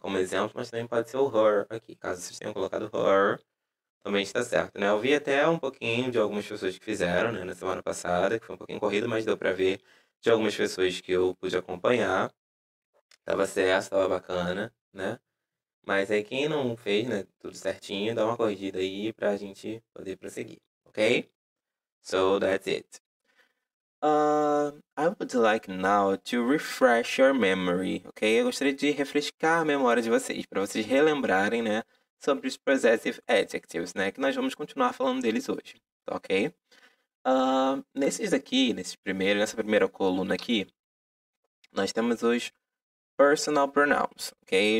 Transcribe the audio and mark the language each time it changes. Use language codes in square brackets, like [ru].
[pt] Como exemplo, mas também pode ser o her aqui. Caso vocês tenham colocado her, também está certo, né? Eu vi até um pouquinho de algumas pessoas que fizeram, né? Na semana passada, que foi um pouquinho corrido, mas deu para ver de algumas pessoas que eu pude acompanhar. Tava certo, tava bacana, né? Mas aí quem não fez, né, tudo certinho, dá uma corrigida aí pra gente poder prosseguir, ok? [en] So that's it. I would like now to refresh your memory, ok? [pt] Eu gostaria de refrescar a memória de vocês, para vocês relembrarem, né, sobre os possessive adjectives, né, que nós vamos continuar falando deles hoje, ok? Nesses aqui, nessa primeira coluna aqui, nós temos os personal pronouns, ok?